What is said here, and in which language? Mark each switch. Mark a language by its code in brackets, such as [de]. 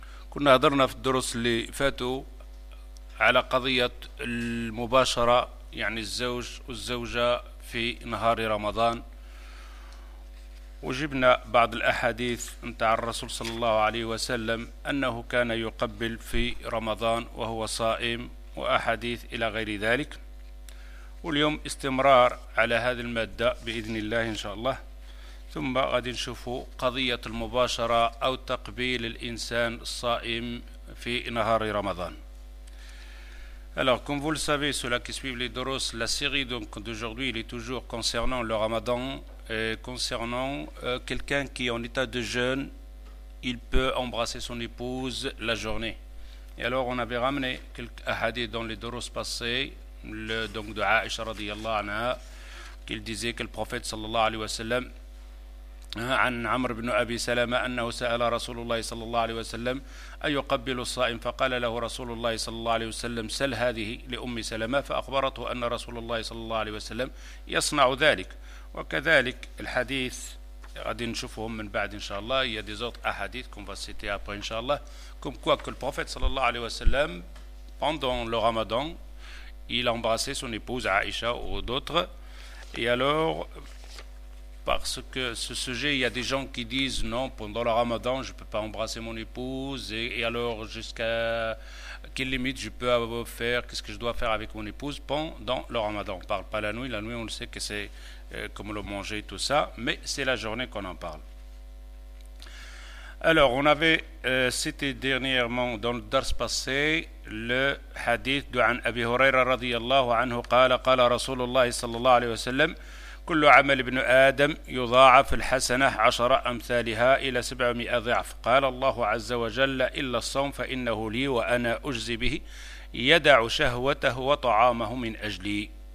[ar] كنا حضرنا في الدروس اللي فاتوا على قضية المباشرة، يعني الزوج والزوجة في نهار رمضان، وجبنا بعض الأحاديث نتاع الرسول صلى الله عليه وسلم أنه كان يقبل في رمضان وهو صائم، وأحاديث إلى غير ذلك. واليوم استمرار على هذه المادة بإذن الله إن شاء الله، ثم غادي نشوفوا قضية المباشرة أو تقبيل الإنسان الصائم في نهار رمضان. [fr] Alors, comme vous le savez, ceux-là qui suivent les doros, la série donc d'aujourd'hui, il est toujours concernant le Ramadan, concernant quelqu'un qui est en état de jeûne, il peut embrasser son épouse la journée. Et alors, on avait ramené quelques hadiths dans les doros passés, donc de Aïcha radiallahu anha, qu'il disait que le prophète sallallahu alayhi wa sallam, [ar] عن عمرو بن أبي سلمة أنه سأل رسول الله صلى الله عليه وسلم أن يقبل الصائم، فقال له رسول الله صلى الله عليه وسلم سل هذه لأم سلمة، فأخبرته أن رسول الله صلى الله عليه وسلم يصنع ذلك. وكذلك الحديث غادي نشوفهم من بعد إن شاء الله، [fr] il y a des autres ahadiths qu'on va citer après [ar] إن شاء الله. [fr] comme quoi que le prophète [ar] صلى الله عليه وسلم [fr] pendant le ramadan il embrassait son épouse Aïcha ou d'autres. et alors parce que ce sujet, il y a des gens qui disent non, pendant le ramadan je ne peux pas embrasser mon épouse, et alors jusqu'à quelle limite je peux faire, qu'est-ce que je dois faire avec mon épouse pendant le ramadan. On ne parle pas la nuit, on le sait que c'est comme le manger et tout ça, mais c'est la journée qu'on en parle. Alors on avait cité dernièrement dans le dars passé le hadith de [ar] an Abi Huraira radiyallahu anhu qala Rasulullah sallallahu alayhi wa sallam كل عمل ابن آدم يضاعف الحسنة 10 أمثالها إلى 700 ضعف. قال الله عز وجل إلا الصوم فإنه لي وأنا أجزي به، يدع شهوته وطعامه من أجلي.